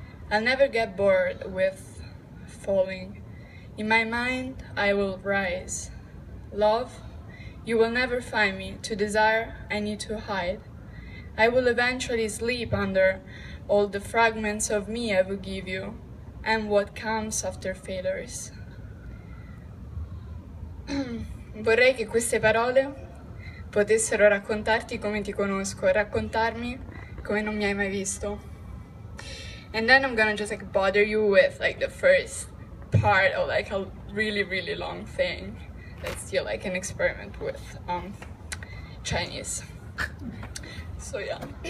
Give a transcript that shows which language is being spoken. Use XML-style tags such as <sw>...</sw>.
<en>I'll never get bored with falling. In my mind, I will rise. Love, you will never find me. To desire, I need to hide. I will eventually sleep under all the fragments of me I will give you, and what comes after failures.</en> <it>Vorrei che queste parole potessero raccontarti come ti conosco, raccontarmi come non mi hai mai visto.</it> <en>And then I'm gonna just like bother you with like the first part of like a really, really long thing that's still like an experiment with Chinese. So yeah.</en>